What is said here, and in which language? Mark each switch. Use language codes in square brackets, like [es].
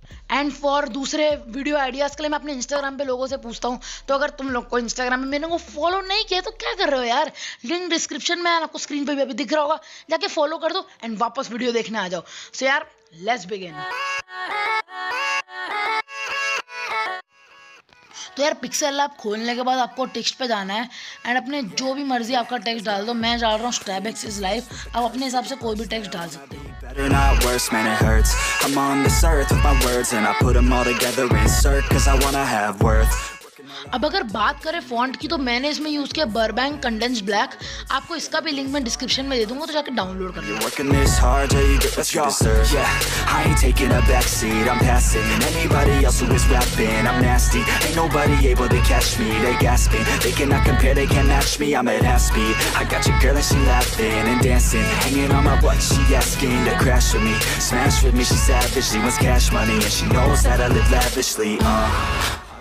[hi] And for दूसरे video ideas के लिए मैं अपने इंस्टाग्राम पे लोगों से पूछता हूँ, तो अगर तुम लोग को इंस्टाग्राम में मैंने को फॉलो नहीं किया तो क्या कर रहे हो यार, लिंक डिस्क्रिप्शन में आपको स्क्रीन पे भी अभी दिख रहा होगा, जाके फॉलो कर दो एंड वापस वीडियो देखने आ जाओ। [en] So यार let's begin. [hi] तो यार पिक्सेल ऐप खोलने के बाद आपको टेक्स्ट पे जाना है एंड अपने जो भी मर्जी आपका टेक्स्ट डाल दो, मैं डाल रहा हूँ स्ट्रैबिक्स इज लाइफ, आप अपने हिसाब से कोई भी टेक्स्ट डाल सकते हैं। [en] Better not worse, man, it hurts. I'm on this earth with my words and I put them all together, insert, cause I wanna have worth. [hi] अब अगर बात करें फॉन्ट की तो मैंने इसमें यूज किया बर्बैंक कंडेंस्ड ब्लैक, आपको इसका भी लिंक मैं डिस्क्रिप्शन में दे दूंगा तो जाके डाउनलोड कर लो।